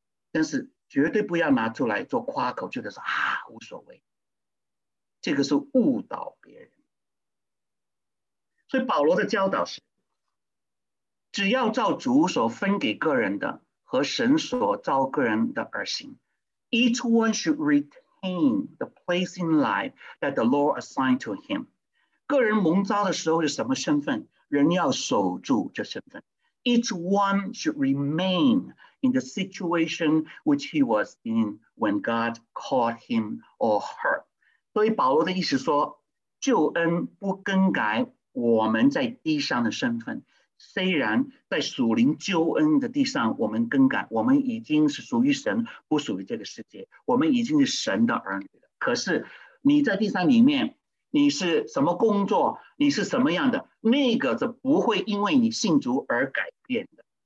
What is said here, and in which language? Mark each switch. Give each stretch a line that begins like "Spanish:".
Chinese: 但是绝对不要拿出来做夸口，觉得说啊无所谓，这个是误导别人。所以保罗的教导是，只要照主所分给个人的和神所召个人的而行。
English: Each one should retain the place in life that the Lord assigned to him。
Chinese: 个人蒙召的时候是什么身份，人要守住这身份。
English: Each one should remain in the situation which he was in when God called him or her。
Chinese: 所以保罗的意思说，救恩不更改我们在地上的身份，虽然在属灵救恩的地上我们更改，我们已经是属于神，不属于这个世界，我们已经是神的儿女了。可是你在地上里面，你是什么工作，你是什么样的，那个是不会因为你信主而改变的。